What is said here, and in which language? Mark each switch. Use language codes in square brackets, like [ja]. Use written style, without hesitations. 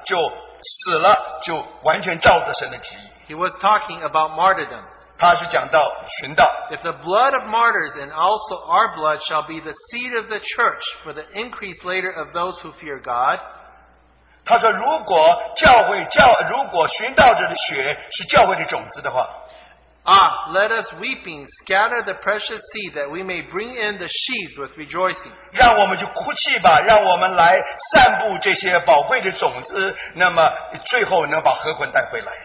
[zh] 那如果因着伤痕我们能得到医治，如果因着死我们能得到生命，如果因着那么为什么我们就不像那个一粒麦子一样就死了，就完全照着神的旨意。 [en] He was talking about martyrdom. [zh] 他是讲到寻道, [en] if the blood of martyrs and also our blood shall be the seed of the church for the increase later of those who fear God, [zh] 他说如果寻道者的血是教会的种子的话, [en] let us weeping scatter the precious seed that we may bring in the sheaves with rejoicing. [zh] 让我们就哭泣吧，让我们来散布这些宝贵的种子，那么最后能把禾捆带回来。